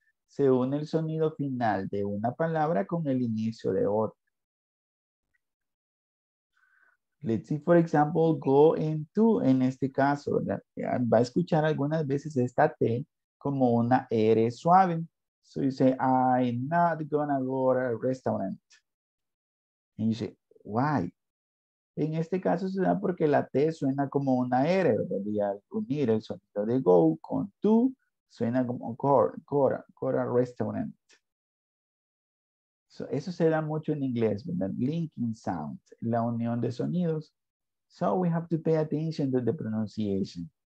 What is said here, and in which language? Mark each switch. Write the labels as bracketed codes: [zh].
[es] Se une el sonido final de una palabra con el inicio de otra. [en] Let's see, for example, go and to, [es] en este caso, ¿verdad? Va a escuchar algunas veces esta T como una R suave. [en] So you say, I'm not gonna go to a restaurant. And you say, why? [es] En este caso se da porque la T suena como una R, ¿verdad? Y al unir el sonido de go con to, suena como go to a restaurant. So, eso se da mucho en inglés, ¿verdad? Linking sound, la unión de sonidos. [en] So we have to pay attention to the pronunciation.